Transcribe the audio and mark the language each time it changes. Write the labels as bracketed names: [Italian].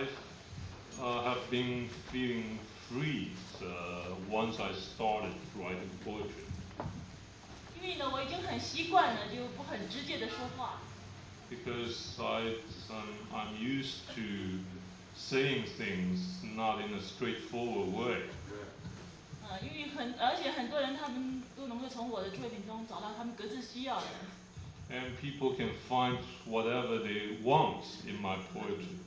[English] have been feeling free once I started writing poetry. [Chinese] 因为呢，我已经很习惯了，就不很直接的说话。 [English] Because I'm used to saying things not in a straightforward way. [Chinese] 因为很，而且很多人他们都能够从我的作品中找到他们各自需要的。 [English] And people can find whatever they want in my poetry.